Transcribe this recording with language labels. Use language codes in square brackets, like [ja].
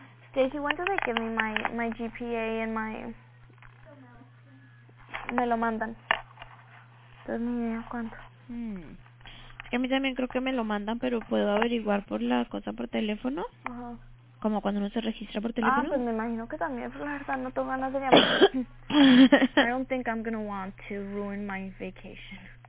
[en] Stacy, when do they give me my GPA and my... [es] Me lo mandan. Entonces, ni idea cuánto. Es que a mí también creo que me lo mandan, pero puedo averiguar por la cosa por teléfono. Ajá. Como cuando uno se registra por teléfono. Ah, pues me imagino que también, pero la verdad no tengo ganas de llamar. [en] I don't think I'm gonna want to ruin my vacation.